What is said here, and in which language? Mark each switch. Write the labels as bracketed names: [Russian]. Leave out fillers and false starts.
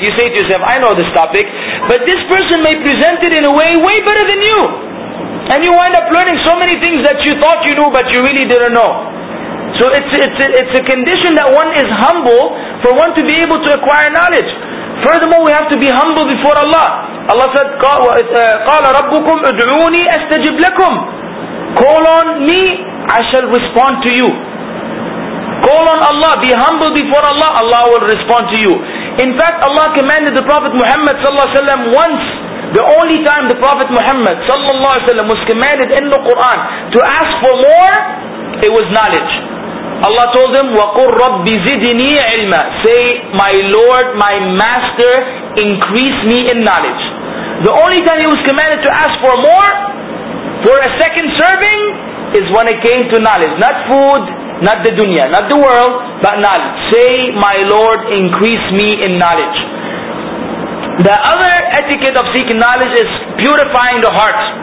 [English] You say to yourself, I know this topic. But this person may present it in a way better than you. And you wind up learning so many things that you thought you knew but you really didn't know. So it's a condition that one is humble for one to be able to acquire knowledge. Furthermore, we have to be humble before Allah. Allah said, [Arabic] قَالَ رَبُّكُمْ اُدْعُونِي أَسْتَجِبْ لَكُمْ. [English] Call on me, I shall respond to you. Call on Allah, be humble before Allah, Allah will respond to you. In fact, Allah commanded the Prophet Muhammad ﷺ once, the only time the Prophet Muhammad ﷺ was commanded in the Quran to ask for more, it was knowledge. Allah told him, [Arabic] وَقُلْ رَبِّ زِدْنِي عِلْمًا. [English] Say, my Lord, my Master, increase me in knowledge. The only time he was commanded to ask for more, for a second serving, is when it came to knowledge. Not food, not the dunya, not the world, but knowledge. Say, my Lord, increase me in knowledge. The other etiquette of seeking knowledge is purifying the heart.